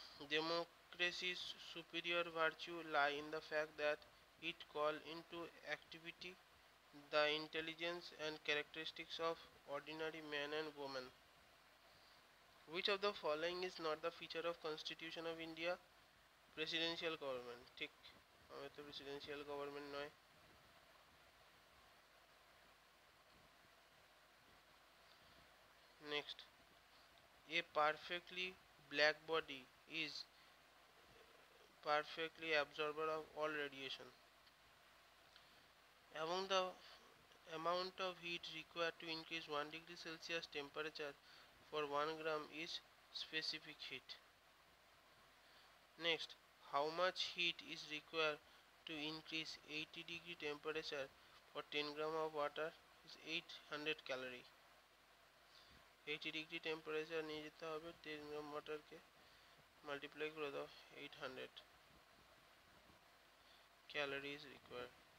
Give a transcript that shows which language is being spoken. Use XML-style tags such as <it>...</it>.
<en>Democracy's superior virtue lies in the fact that it calls into activity the intelligence and characteristics of ordinary men and women. Which of the following is not the feature of Constitution of India? Presidential government. Tick.</en> <bn>আমাদের তো presidential government নয়।</bn> <en>Next, a perfectly black body is perfectly absorber of all radiation এবং the amount of heat require to increase 1 degree Celsius temperature for 1 gram is specific heat. Next, how much heat is require to increase 80 degree temperature for 10 gram of water is 800 calorie. 80 degree temperature</en> <bn>নিয়ে যেতে হবে</bn> <en>10 gram water কে multiply</en> <bn>করে দাও</bn> <en>800 calorie is required.</en>